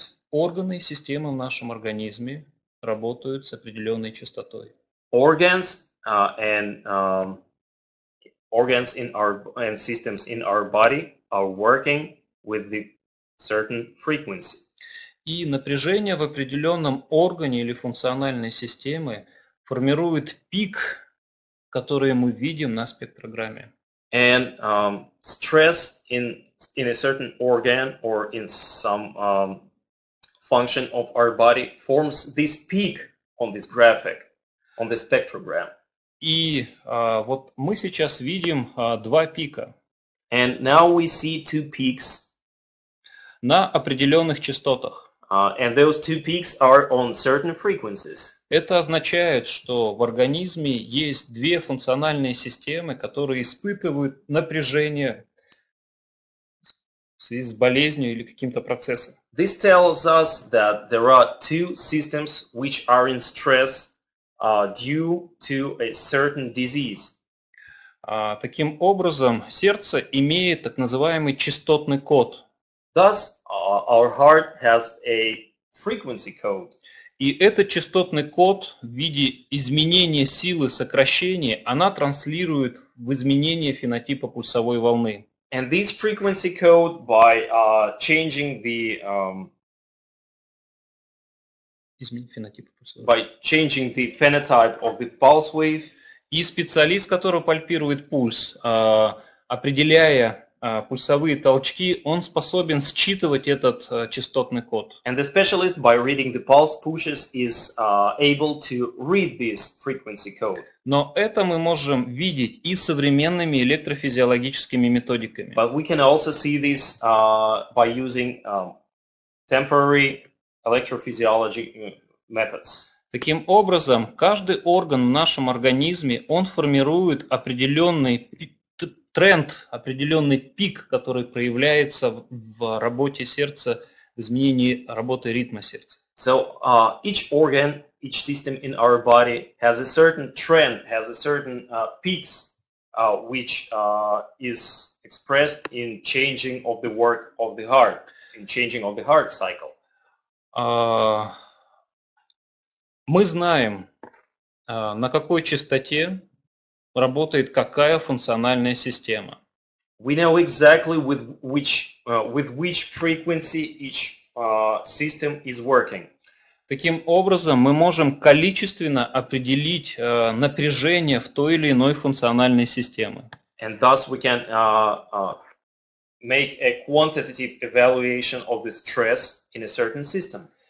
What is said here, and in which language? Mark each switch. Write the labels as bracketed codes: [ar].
[ru] Органы, системы в нашем организме работают с определенной частотой. [en] Organs and organs in our and systems in our body are working with the certain frequency. [ru] И напряжение в определенном органе или функциональной системе формирует пик, который мы видим на спектрограмме. [en] And stress in a certain organ or in some function of our body forms this peak on this graphic, on the spectrogram. [ru] И вот мы сейчас видим два пика. [en] And now we see two peaks [ru] на определенных частотах. [en] And those two peaks are on certain frequencies. [ru] Это означает, что в организме есть две функциональные системы, которые испытывают напряжение в связи с болезнью или каким-то процессом. [en] This tells us that there are two systems which are in stress due to a certain disease. [ru] Таким образом, сердце имеет так называемый частотный код. [en] Thus, our heart has a frequency code. [ru] И этот частотный код в виде изменения силы сокращения, она транслирует в изменение фенотипа пульсовой волны. [en] And this frequency code, by changing the phenotype of the pulse wave. [ru] И специалист, который пальпирует пульс, определяя пульсовые толчки, он способен считывать этот частотный код. [en] And the specialist, by reading the pulse pushes, is able to read this frequency code. [ru] Но это мы можем видеть и современными электрофизиологическими методиками. [en] But we can also see this by using temporary electrophysiology methods. [ru] Таким образом, каждый орган в нашем организме, он формирует определенный тренд, определенный пик, который проявляется в работе сердца, в изменении работы ритма сердца. [en] So each organ, each system in our body has a certain trend, has a certain peaks, which is expressed in changing of the work of the heart, in changing of the heart cycle. [ru] Мы знаем, на какой частоте работает какая функциональная система. [en] We know exactly with which frequency each system is working. [ru] Таким образом, мы можем количественно определить напряжение в той или иной функциональной системе. [en] And thus we can make a quantitative evaluation of the stress in a certain system.